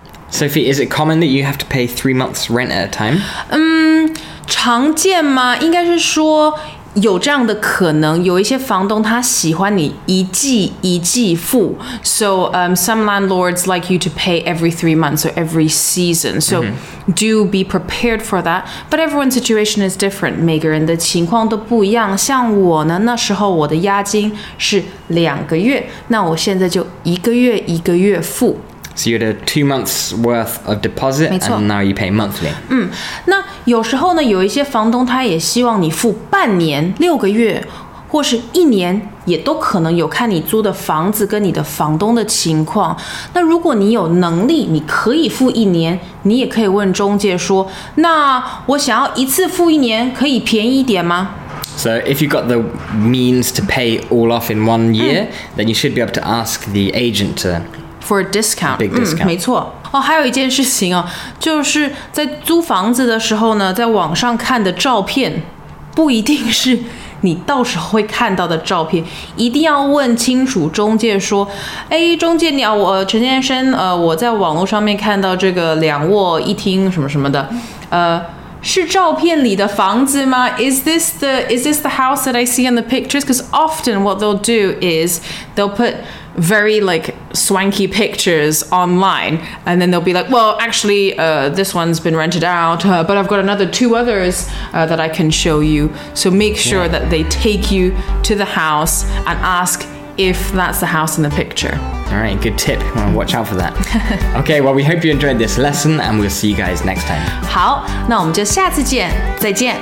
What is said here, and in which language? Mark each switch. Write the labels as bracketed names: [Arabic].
[English] Sophie, is it common that you have to pay 3 months rent at a time? [Chinese] 常见吗？应该是说有这样的可能，有一些房东他喜欢你一季一季付。 [English] So, some landlords like you to pay every 3 months or every season. So,do be prepared for that. But everyone's situation is different. [Chinese] 每个人的情况都不一样。像我呢，那时候我的押金是两个月，那我现在就一个月一个月付。 [English] So you had a 2 months worth of deposit, and now you pay monthly. [Chinese] 那有时候呢，有一些房东他也希望你付半年、六个月，或是一年，也都可能有看你租的房子跟你的房东的情况。那如果你有能力，你可以付一年，你也可以问中介说，那我想要一次付一年，可以便宜一点吗？ [English] So if you've got the means to pay all off in 1 year, then you should be able to ask the agent to... For a discount. Big discount. [Chinese] 没错。哦，还有一件事情哦，就是在租房子的时候呢，在网上看的照片不一定是你到时候会看到的照片，一定要问清楚中介说，哎，中介你好，我陈先生，我在网络上面看到这个两卧一厅什么什么的，是照片里的房子吗？ [English] Is this the house that I see in the pictures? Because often what they'll do is they'll put very like swanky pictures online, and then they'll be like, well, actually, this one's been rented out, but I've got another 2 others that I can show you. So make sure that they take you to the house and ask if that's the house in the picture. All right, good tip. Watch out for that. Okay, well, we hope you enjoyed this lesson, and we'll see you guys next time. [Chinese] 好，那我们就下次见，再见。